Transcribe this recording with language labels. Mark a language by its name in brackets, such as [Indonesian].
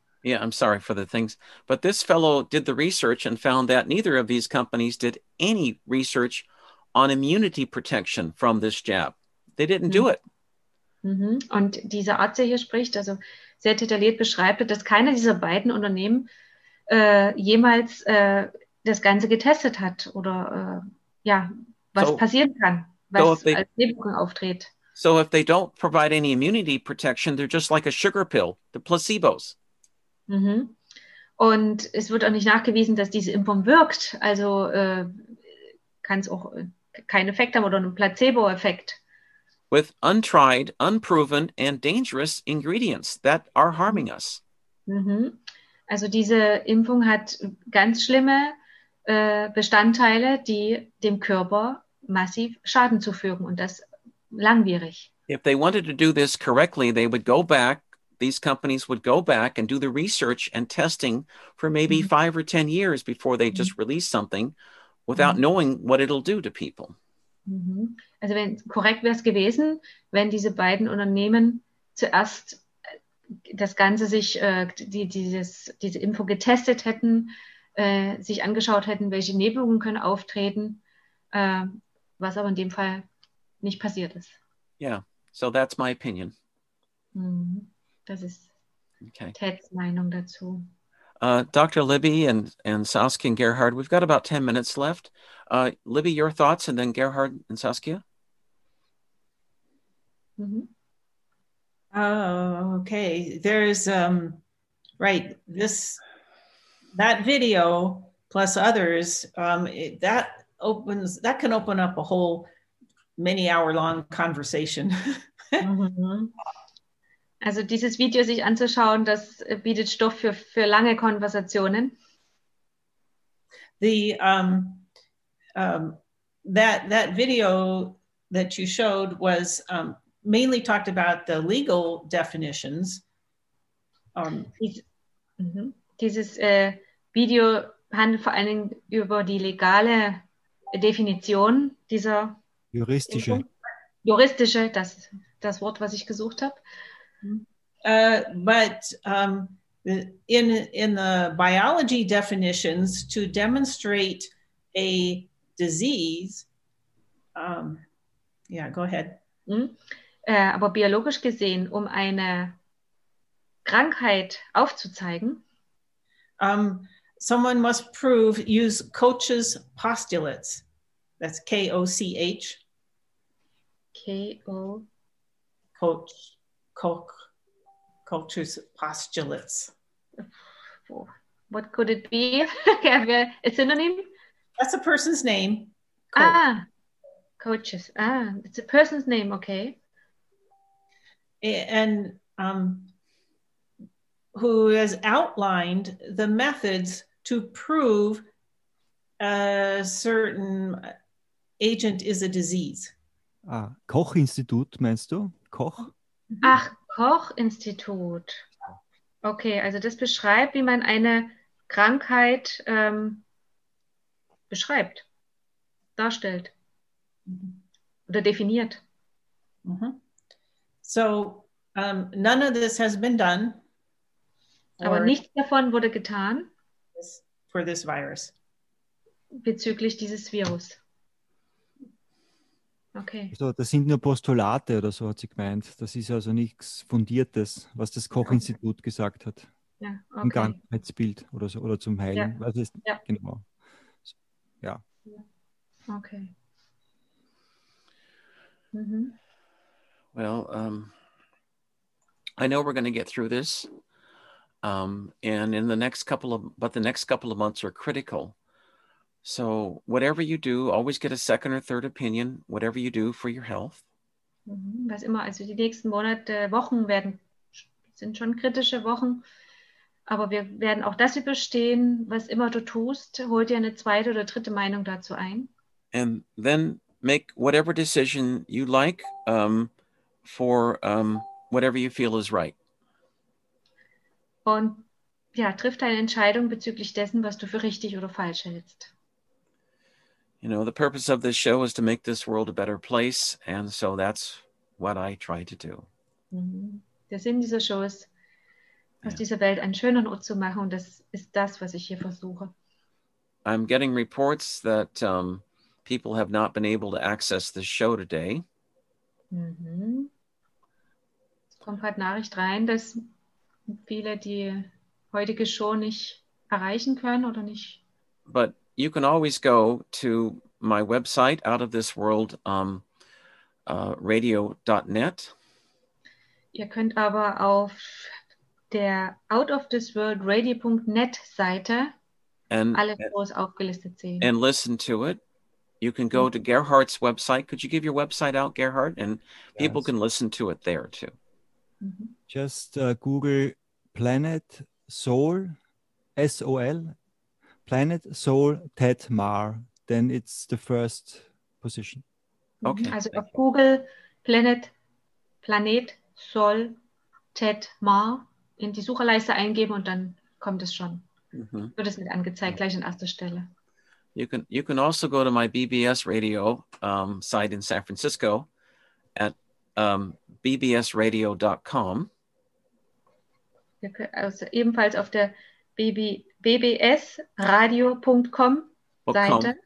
[English] Yeah, I'm sorry for the things. But this fellow did the research and found that neither of these companies did any research on immunity protection from this jab. They didn't do it. Mm-hmm. [German] Und dieser Arzt, der hier spricht, also sehr detailliert beschreibt, dass keiner dieser beiden Unternehmen jemals das Ganze getestet hat oder was so, passieren kann, was so als Nebenwirkung auftritt. [English] So if they don't provide any immunity protection, they're just like a sugar pill, the placebos. Mm-hmm. [German] Und es wird auch nicht nachgewiesen, dass diese Impfung wirkt. Also kann es auch keinen Effekt haben oder einen Placebo-Effekt. [English] With untried, unproven and dangerous ingredients that are harming us. Mm-hmm. [German] Also diese Impfung hat ganz schlimme Bestandteile, die dem Körper massiv Schaden zufügen und das langwierig. [English] If they wanted to do this correctly, they would go back. These companies would go back and do the research and testing for maybe mm-hmm. 5 or 10 years before they just release something without mm-hmm. knowing what it'll do to people. Mm-hmm. [German] Also wenn korrekt wäre es gewesen, wenn diese beiden Unternehmen zuerst das Ganze sich, diese Impfung getestet hätten, sich angeschaut hätten, welche Nebenwirkungen können auftreten, was aber in dem Fall nicht passiert ist. [English] Yeah, so that's my opinion. [German] Das ist okay. Ted's Meinung dazu. [English] Dr. Libby and Saskia and Gerhard, we've got about 10 minutes left. Libby, your thoughts, and then Gerhard and Saskia. Okay. There's right. This that video plus others that opens that can open up a whole many hour long conversation. [German] Also dieses Video sich anzuschauen, das bietet Stoff für lange Konversationen. [English] The that video that you showed was mainly talked about the legal definitions. [German] Dieses Video handelt vor allen Dingen über die legale Definition dieser juristische. Juristische, das Wort, was ich gesucht habe. [English] But in the biology definitions to demonstrate a disease, go ahead. [German] Aber biologisch gesehen, um eine Krankheit aufzuzeigen, [English] someone must prove use Koch's postulates. That's K-O-C-H. K-O. Koch. Koch's postulates. What could it be? A synonym? That's a person's name. Koch. Koch's. It's a person's name. Okay. And who has outlined the methods to prove a certain agent is a disease? [German] Ah, Koch Institut, meinst du? Koch? Ach, Koch Institut. Okay, also das beschreibt, wie man eine Krankheit beschreibt, darstellt oder definiert. Mm-hmm. So. [English] None of this has been done. [German] Aber nichts davon wurde getan. [English] For this virus. [German] Bezüglich dieses Virus. [English] Okay. [German] Also, das sind nur Postulate oder so, hat sie gemeint. Das ist also nichts Fundiertes, was das Koch-Institut gesagt hat. Ja, okay. Im Krankheitsbild oder so, oder zum Heilen. Ja. Was ist, ja. Genau. So, ja. Okay. Mhm. [English] Well, I know we're going to get through this, and in the next couple of, but the next couple of months are critical. So whatever you do, always get a second or third opinion, whatever you do for your health. [German] Was immer, also die nächsten Monate, Wochen werden, sind schon kritische Wochen, aber wir werden auch das überstehen, was immer du tust, hol dir eine zweite oder dritte Meinung dazu ein. [English] And then make whatever decision you like for... whatever you feel is right. [German] Und ja, triff deine Entscheidung bezüglich dessen, was du für richtig oder falsch hältst. [English] You know, the purpose of this show is to make this world a better place, and so that's what I try to do. [German] Der Sinn dieser Show ist, aus dieser Welt einen schöneren Ort zu machen, und das ist das, was ich hier versuche. [English] I'm getting reports that people have not been able to access the show today. [German] Kommt gerade Nachricht rein, dass viele die heutige Show nicht erreichen können oder nicht. [English] But you can always go to my website outofthisworldradio.net. [German] Ihr könnt aber auf der outofthisworldradio.net Seite alle Shows aufgelistet sehen. [English] And listen to it. You can go to Gerhard's website. Could you give your website out, Gerhard? And people can listen to it there too. Just Google Planet Soul, S-O-L, Planet Soul Ted Marr, then it's the first position. Okay. [German] Also auf Google Planet Soul Ted Marr in die Sucherleiste eingeben und dann kommt es schon. Mm-hmm. Wird es mit angezeigt, gleich an erster Stelle. [English] You can also go to my BBS radio site in San Francisco at bbsradio.com. [German] Also ebenfalls auf der bbsradio.com Seite.